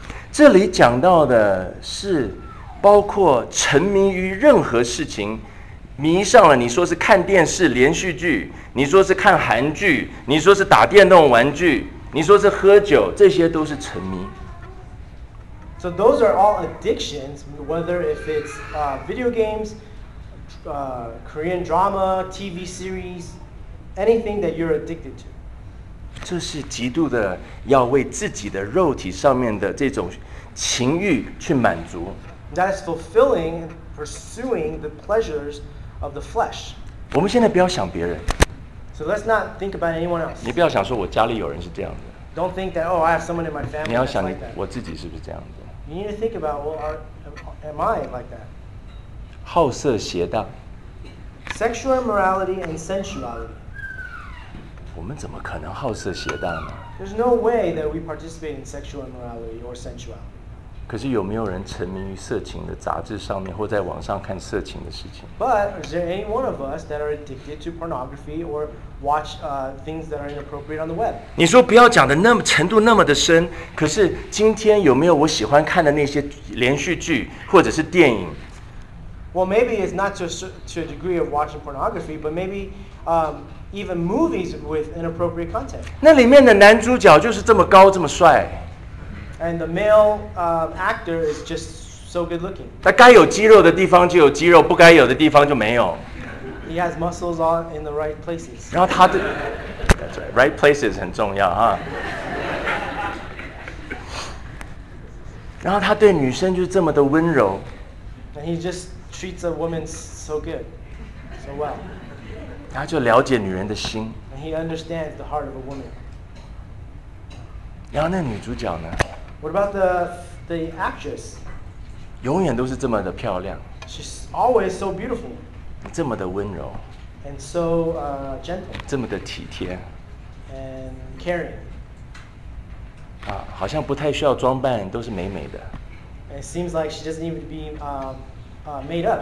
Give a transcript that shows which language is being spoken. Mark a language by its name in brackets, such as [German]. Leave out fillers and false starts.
[Chinese] 这里讲到的是包括沉迷于任何事情，迷上了，你说是看电视连续剧，你说是看韩剧，你说是打电动玩具，你说是喝酒，这些都是沉迷。 [English] So those are all addictions, whether if it's video games, Korean drama, TV series, anything that you're addicted to. [Chinese] 这是极度的要为自己的肉体上面的这种情欲去满足。 [English] That is fulfilling, pursuing the pleasures of the flesh. [Chinese] 我们现在不要想别人。 [English] So let's not think about anyone else. [Chinese] 你不要想说我家里有人是这样的。 [English] Don't think that, oh, I have someone in my family. [Chinese] 你要想你我自己是不是这样的。 [English] You need to think about, well, am I like that? [Chinese] 好色邪荡。 [English] Sexual immorality and sensuality. [Chinese] 我们怎么可能好色邪荡呢？ [English] There's no way that we participate in sexual immorality or sensuality. [Chinese] 可是有没有人沉迷于色情的杂志上面，或在网上看色情的事情？ [English] But is there any one of us that are addicted to pornography or watch things that are inappropriate on the web? [Chinese] 你说不要讲的那么程度那么的深，可是今天有没有我喜欢看的那些连续剧或者是电影？ [English] Well, maybe it's not just to a degree of watching pornography, but maybe even movies with inappropriate content. [Chinese] 那里面的男主角就是这么高这么帅。 [English] And the male actor is just so good looking. [Chinese] 他该有肌肉的地方就有肌肉，不该有的地方就没有。 [English] He has muscles all in the right places. [Chinese] 然后他的 [English] That's right, right places [Chinese] 很重要啊。然后他对女生就这么的温柔。 [English] And he just treats a woman so good, so well. [Chinese] 他就了解女人的心。 [English] And he understands the heart of a woman. [Chinese] 然后那女主角呢？ [English] What about the actress? [Chinese] 永远都是这么的漂亮。 [English] She's always so beautiful. [Chinese] 这么的温柔。 [English] And so gentle. [Chinese] 这么的体贴。 [English] And caring. [Chinese] 啊，好像不太需要装扮，都是美美的。 [English] And it seems like she doesn't even be made up.